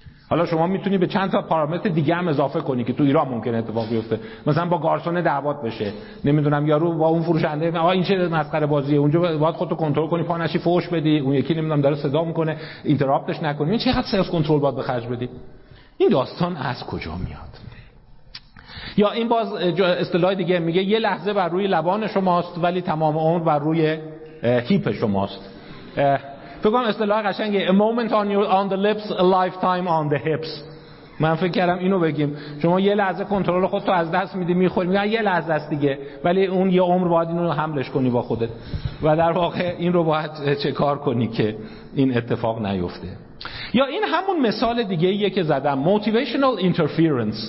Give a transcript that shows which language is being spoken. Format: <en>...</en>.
<fa>حالا شما میتونی به چند تا پارامتر دیگه هم اضافه کنی که تو ایران ممکن اتفاق بیفته، مثلا با گارسون دعوات بشه، نمیدونم یارو با اون فروشنده آ این چه مسخره بازیه، اونجا باید خودتو کنترل کنی، پانشی فوش بدی، اون یکی نمیدونم داره صدا میکنه، اینترابتش نکنی، این چقدر سلف کنترل باید به خرج بدی. این داستان از کجا میاد؟ یا این باز اصطلاح دیگه میگه یه لحظه بر روی لبان شماست ولی تمام عمر بر روی هیپ شماست. فکر کنم اصطلاح قشنگه،</fa> <en>a moment on your on the lips a lifetime on the hips.</en> <fa>من فکر کردم اینو بگیم، شما یه لحظه کنترل خودت رو از دست میدی، میخوری میگن یه لحظه است دیگه، ولی اون یه عمر باید اینو حملش کنی با خودت و در واقع این رو باید چه کار کنی که این اتفاق نیفته. یا این همون مثال دیگه ایه که زدم، motivational interference.</fa>